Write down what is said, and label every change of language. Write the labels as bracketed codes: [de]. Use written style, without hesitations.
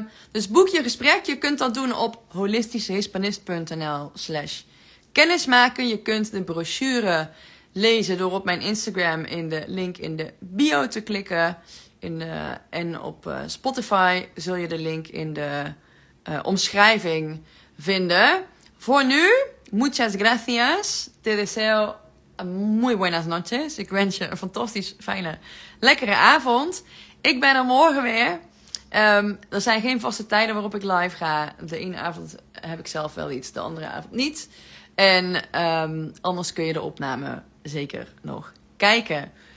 [nl] Dus boek je gesprek. Je kunt dat doen op holistischehispanist.nl/kennismaken. Je kunt de brochure lezen door op mijn Instagram in de link in de bio te klikken. En op Spotify zul je de link in de omschrijving vinden. Voor nu, [es] muchas gracias. Te deseo muy buenas noches. [nl] Ik wens je een fantastisch fijne, lekkere avond. Ik ben er morgen weer. Er zijn geen vaste tijden waarop ik live ga. De ene avond heb ik zelf wel iets, de andere avond niet. En anders kun je de opname zeker nog kijken.